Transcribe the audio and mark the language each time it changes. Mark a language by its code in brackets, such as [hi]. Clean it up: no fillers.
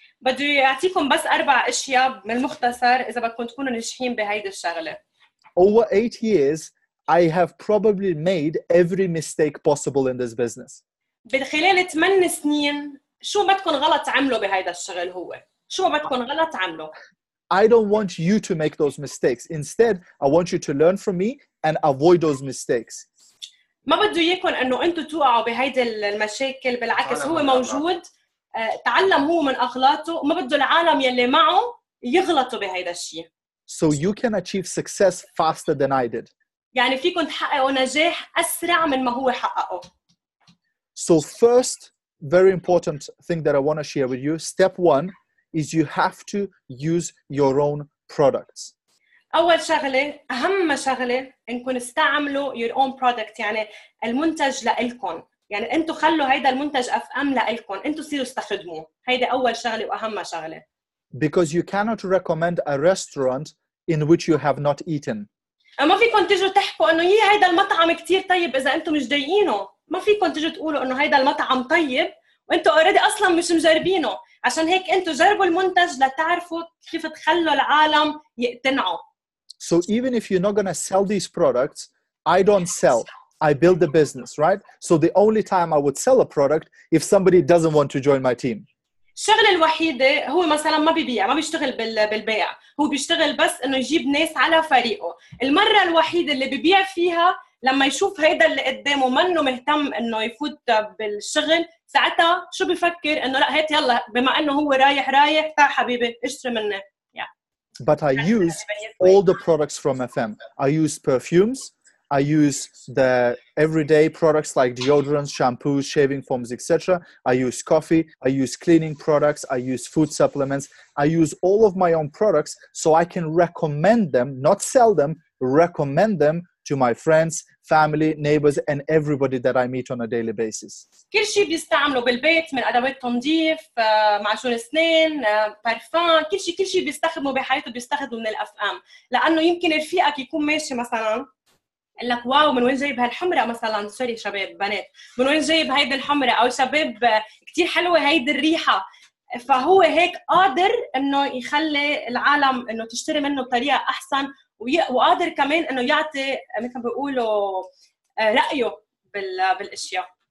[ar] بدي أعطيكم بس أربع أشياء من المختصر إذا بدكم تكونوا ناجحين بهيدي الشغلة. [en] Over 8 years, I have probably made every mistake possible in this business. [ar] بخلال 8 سنين, شو ما تكون غلط عمله بهيدا الشغل هو. شو ما تكون غلط عمله. [en] I don't want you to make those mistakes. Instead, I want you to learn from me and avoid those mistakes. [ar] ما بده يكون انه انتم توقعوا بهيدي المشاكل, بالعكس هو موجود, تعلم هو من اغلاطه, وما بده العالم يلي معه يغلطوا بهيدا الشيء. [en] So you can achieve success faster than I did. [ar] يعني فيكم تحققوا نجاح اسرع من ما هو حققه. [en] So first very important thing that I want to share with you, step 1 is you have to use your own products. [ar] أول شغلة, أهم شغلة, إنكم استعملوا [en] your own product, [ar] يعني المنتج لإلكم. يعني أنتوا خلوا هيدا المنتج أفهم لإلكم, أنتوا صيروا استخدموه. هيدا أول شغلة وأهم شغلة. [en] Because you cannot recommend a restaurant in which you have not eaten. [ar] ما فيكم تجوا تحكوا إنه يي هيدا المطعم كتير طيب إذا أنتوا مش دايقينه. ما فيكم تجوا تقولوا إنه هيدا المطعم طيب وأنتوا أوريدي أصلاً مش مجربينه. عشان هيك انتو جربوا المنتج لتعرفوا كيف تخلوا العالم يقتنعوا. [en] So even if you're not gonna sell these products, I don't sell. I build the business, right? So the only time I would sell a product if somebody doesn't want to join my team. [ar] الشغلة الوحيدة هو مثلا ما ببيع، ما بيشتغل بالبيع، هو بيشتغل بس انه يجيب ناس على فريقه. المرة الوحيدة اللي ببيع فيها لما يشوف هيدا اللي قدامه منه مهتم انه يفوت بالشغل، ساعتها شو بفكر؟ انه لا هات يلا، بما انه هو رايح رايح، تعال حبيبي اشتري مني. [en] But I use all the products from FM. I use perfumes. I use the everyday products like deodorants, shampoos, shaving foams, etc. I use coffee. I use cleaning products. I use food supplements. I use all of my own products so I can recommend them, not sell them, recommend them to my friends, family, neighbors, and everybody that I meet on a daily basis. [ar] كل شيء بيستعمله بالبيت من أدوات تنظيف، معجون أسنان، بارفان، كل شيء بيستخدمه بحياته بيستخدمه من الأفئام. لأنه يمكن رفيقك يكون ماشي مثلاً قال لك واو من وين جايب هالحمرة مثلاً، سوري شباب بنات، من وين جايب هيد الحمرة، أو شباب كتير حلوة هيد الريحة، فهو هيك قادر أنه يخلي العالم أنه تشتري منه بطريقة أحسن، وقادر كمان أنه يعطي مثل ما بيقولوا رأيه بالأشياء.